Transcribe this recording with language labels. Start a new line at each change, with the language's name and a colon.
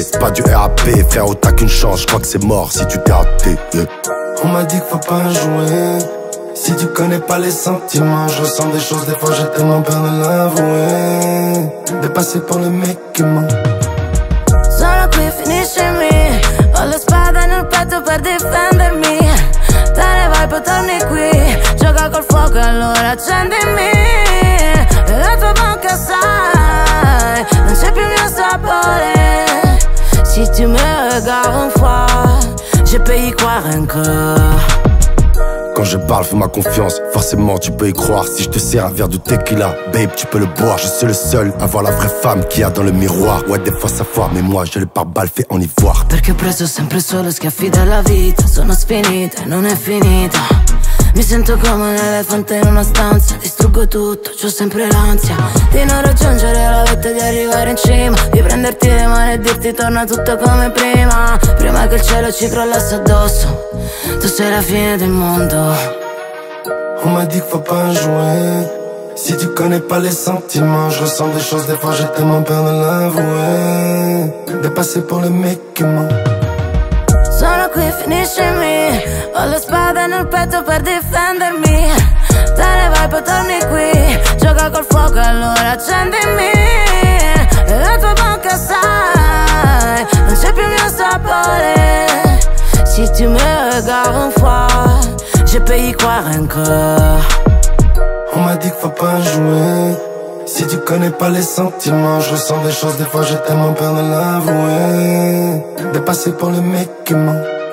French: C'est pas du RAP, frère, oh, t'as qu'une chance. Je crois que c'est mort si tu t'es raté. On m'a dit qu'il faut pas jouer. Si tu connais pas les sentiments, je ressens des choses, des fois j'ai tellement peur de l'avouer. De passer pour le mec qui ment.
Italian: Solo qui finisce me. Ho le spade nel petto per difendermi. Te ne vai, poi torni qui. Gioca col fuoco, allora accendimi. E la tua bocca sai, non c'è più il mio sapore.
French: Si tu me regardes un fois, je peux y croire encore. Quand je parle, fais ma confiance, forcément tu peux y croire. Si je te sers un verre de tequila, babe, tu peux le boire. Je suis le seul à voir la vraie femme qu'il y a dans le miroir. Ouais, des fois ça foire, mais moi j'ai le pare-balles fait en ivoire.
Italian: Perché ho preso sempre solo schiaffi dalla vita. Sono sfinita e non è finita. Mi sento come un elefante in una stanza. Distruggo tutto, c'ho sempre l'ansia. Di non raggiungere la vetta, di arrivare in cima. Di prenderti le mani e dirti torna tutto come prima. Prima che il cielo ci crollasse addosso. Tu sei la fine del mondo.
French: On m'a dit qu'il faut pas jouer. Si tu connais pas les sentiments. Je ressens des choses, des fois j'ai tellement peur de l'avouer. De passer pour le mec qui ment.
Italian: Solo qui finisce me. Ho le spade nel petto per difendermi. Te ne vai, poi torni qui. Gioca col fuoco, allora accendimi. E la tua bocca sai, non c'è più il mio sapore.
French: Si tu me regardes un fois, je peux y croire encore. On m'a dit qu'il faut pas jouer. Si tu connais pas les sentiments. Je ressens des choses, des fois j'ai tellement peur de l'avouer. De passer pour le mec qui ment.